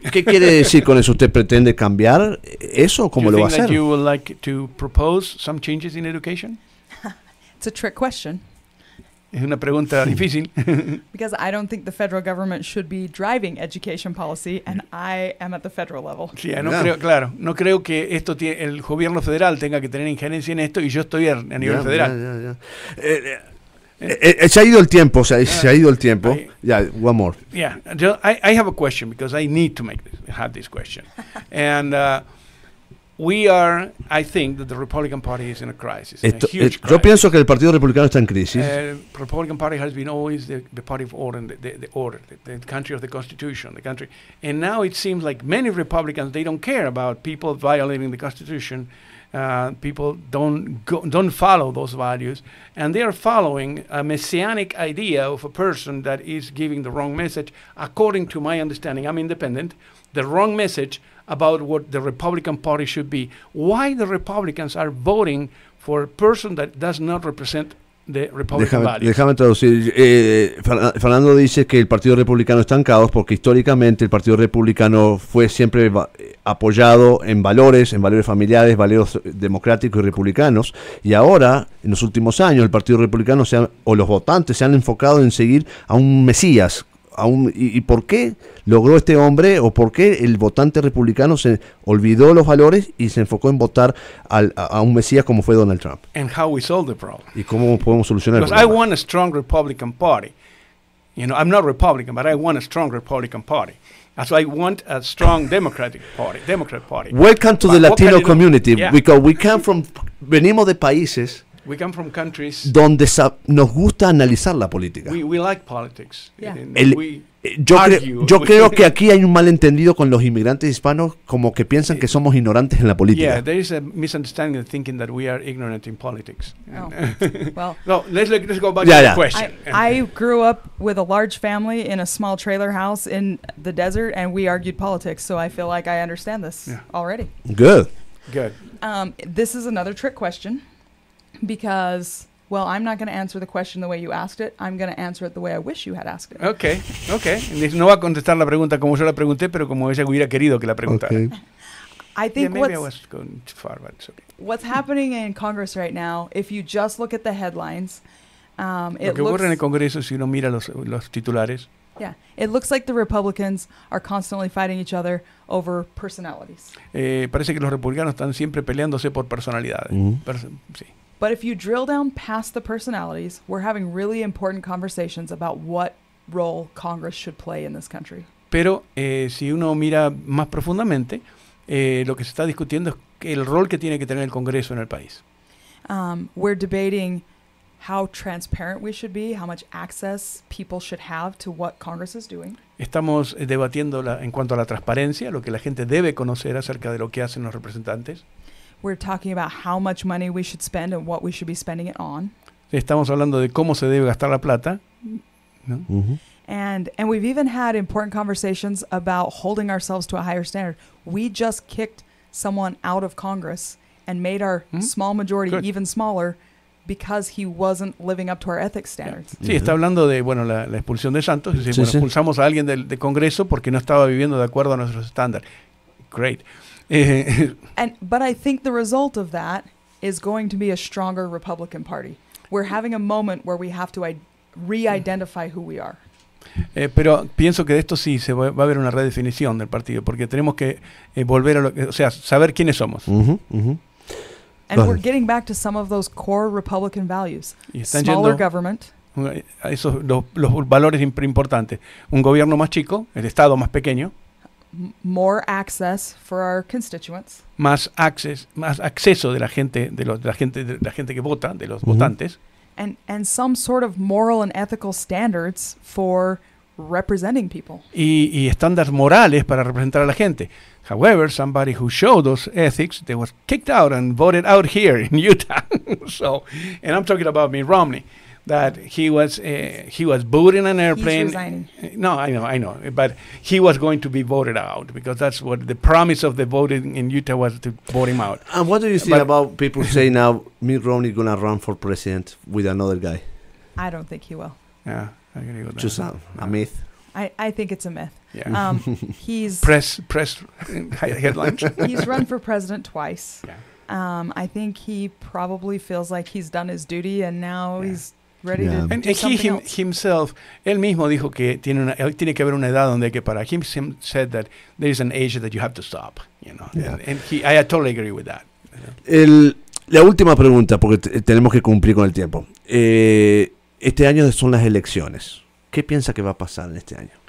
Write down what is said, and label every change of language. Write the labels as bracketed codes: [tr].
[es] ¿Qué quiere decir con eso? ¿Usted pretende cambiar eso? ¿Cómo lo va a hacer? [en] Do you think that you would like to propose some changes in education? It's a trick question. [es] Es una pregunta difícil. [en] Because I don't think the federal government should be driving education policy, and I am at the federal level. [es] Sí, no creo que esto el gobierno federal tenga que tener injerencia en esto, y yo estoy a nivel federal. Se ha ido el tiempo, se ha ido el tiempo. [en] One more. I have a question because I need to have this question. And I think that the Republican Party is in a crisis. Yo pienso que el Partido Republicano está en crisis. Republican Party has been always the party of order, the country of the Constitution, the country. And now it seems like many Republicans, they don't care about people violating the Constitution. People don't follow those values, and they are following a messianic idea of a person that is giving the wrong message. According to my understanding, I'm independent. The wrong message about what the Republican Party should be. Why the Republicans are voting for a person that does not represent the Republican values? [es] Déjame traducir. Fernando dice que el Partido Republicano está en caos porque históricamente el Partido Republicano fue siempre apoyado en valores familiares, valores democráticos y republicanos. Y ahora, en los últimos años, el Partido Republicano o los votantes se han enfocado en seguir a un mesías. ¿Y por qué logró este hombre o por qué el votante republicano se olvidó los valores y se enfocó en votar a un mesías como fue Donald Trump? [en] And how we solve the problem. [es] ¿Y cómo podemos solucionar el problema? [en] I want a strong Republican Party. You know, I'm not Republican, but I want a strong Republican Party. So I want a strong Democrat Party. Welcome to the Latino community, because [es] venimos de países. [en] We come from countries [es] donde nos gusta analizar la política. [en] We like politics. Yeah. [es] Yo creo que aquí hay un malentendido con los inmigrantes hispanos, como que piensan que somos ignorantes en la política. [en] Yeah, there is a misunderstanding of thinking that we are ignorant in politics. Oh. let's go back to the question. I grew up with a large family in a small trailer house in the desert, and we argued politics, so I feel like I understand this already. Good. This is another trick question. Because, I'm not going to answer the question the way you asked it. I'm going to answer it the way I wish you had asked it. [es] Okay. No va a contestar la pregunta como yo la pregunté, pero como ella hubiera querido que la preguntara. Okay. [en] I think maybe I was going too far, but it's okay. What's happening in Congress right now, if you just look at the headlines, it looks... [es] Lo que ocurre en el Congreso, si uno mira los titulares... [en] Yeah, it looks like the Republicans are constantly fighting each other over personalities. [es] Parece que los republicanos están siempre peleándose por personalidades. Mm-hmm. Sí. [en] But if you drill down past the personalities, we're having really important conversations about what role Congress should play in this country. [es] Pero si uno mira más profundamente, lo que se está discutiendo es el rol que tiene que tener el Congreso en el país. [en] We're debating how transparent we should be, how much access people should have to what Congress is doing. [es] Estamos debatiendo en cuanto a la transparencia, lo que la gente debe conocer acerca de lo que hacen los representantes. [en] We're talking about how much money we should spend and what we should be spending it on. [es] Estamos hablando de cómo se debe gastar la plata, ¿no? Uh-huh. [en] And we've even had important conversations about holding ourselves to a higher standard. We just kicked someone out of Congress and made our small majority even smaller because he wasn't living up to our ethics standards. [es] Sí, está hablando de, bueno, la expulsión de Santos. Es decir, sí, bueno, expulsamos a alguien del Congreso porque no estaba viviendo de acuerdo a nuestros estándares. [en] Great. But I think the result of that is going to be a stronger Republican Party. We're having a moment where we have to re-identify who we are. [es] Pero pienso que de esto sí se va a haber una redefinición del partido, porque tenemos que volver a lo que, o sea, saber quiénes somos. [en] And we're getting back to some of those core Republican values. Smaller government. [es] Esos los valores importantes. Un gobierno más chico, el Estado más pequeño. [en] More access for our constituents. [es] Más acceso de la gente, de la gente que vota, de los votantes. [en] And some sort of moral and ethical standards for representing people. [es] Y estándares morales para representar a la gente. [en] However, somebody who showed those ethics, they were kicked out and voted out here in Utah. So, and I'm talking about Mitt Romney, that he was booed in an airplane. He's resigning. No, I know. But he was going to be voted out because that's what the promise of the voting in Utah was, to vote him out. And what do you think about people saying now Mitt Romney going to run for president with another guy? I don't think he will. Yeah. Just a myth. I think it's a myth. Yeah. He's press headlines. He's run for president twice. Yeah. I think he probably feels like he's done his duty and now he's ready to do something else. And he himself, [es] él mismo dijo que tiene que haber una edad donde hay que parar. [en] He said that there is an age that you have to stop. You know. Yeah. And I totally agree with that. [es] La última pregunta, porque tenemos que cumplir con el tiempo. Este año son las elecciones. ¿Qué piensa que va a pasar en este año?